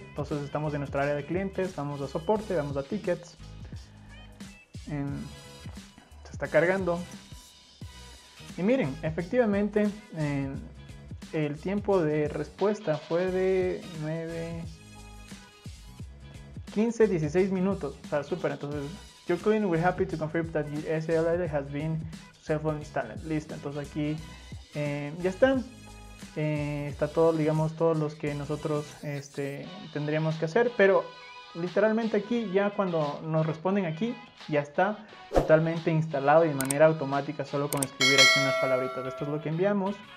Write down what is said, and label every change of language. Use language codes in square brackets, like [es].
[es] Entonces estamos en nuestra área de clientes, vamos a soporte, vamos a tickets. Se está cargando. Y miren, efectivamente, el tiempo de respuesta fue de 9, 15, 16 minutos. O sea, súper. Entonces, [en] your client, we're happy to confirm that your SSL has been successfully installed. [es] Listo, entonces aquí... ya está, está todo, digamos, todos los que nosotros tendríamos que hacer, pero literalmente aquí ya cuando nos responden aquí ya está totalmente instalado y de manera automática solo con escribir aquí unas palabritas. Esto es lo que enviamos.